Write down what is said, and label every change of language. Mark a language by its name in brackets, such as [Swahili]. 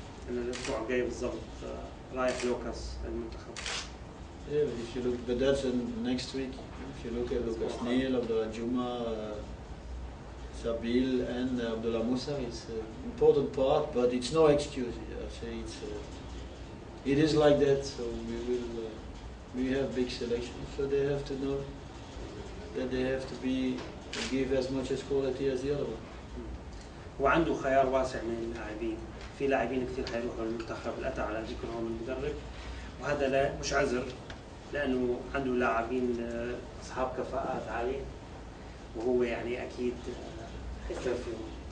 [Arabic] إن الأسبوع الجاي بالضبط رايح لوكاس المنتخب. [English] Yeah, but if you look, but that's in next week. If you look at Lucas Neal, Abdullah Juma, Sabil, and Abdullah Musa, it's an important part, but it's no excuse. I say it's it is like that. So we will we have big selection, so they have to know that they have to be give as much as quality as the other one. [Arabic] وعنده خيار واسع من اللاعبين. في لاعبين كثير حيروحوا المنتخب الأتى على ذكرهم المدرب، وهذا لا مش عذر. لأنه عنده لاعبين أصحاب كفاءات عالية، وهو يعني أكيد أكثر فيهم.